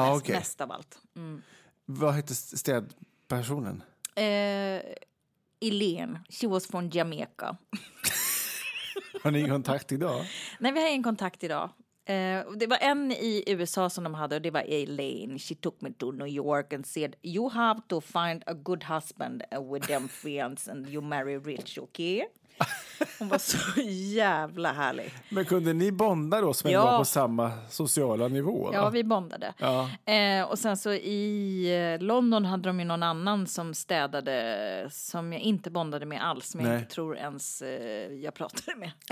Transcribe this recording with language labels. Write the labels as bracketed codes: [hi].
[sv] Mest av allt. Mm. Vad hette städpersonen? [en] Elaine. She was from Jamaica. [sv] Har ni kontakt idag? Nej, vi har ingen kontakt idag. Det var en i USA som de hade, och det var Elaine. [en] She took me to New York and said, you have to find a good husband with them fiends and you marry rich, okay? [sv] Hon var så jävla härlig. Men kunde ni bonda då, som var på samma sociala nivå? Va? Ja, vi bondade. Ja. Och sen så i London hade de ju någon annan som städade, som jag inte bondade med alls, men jag tror ens jag pratade med.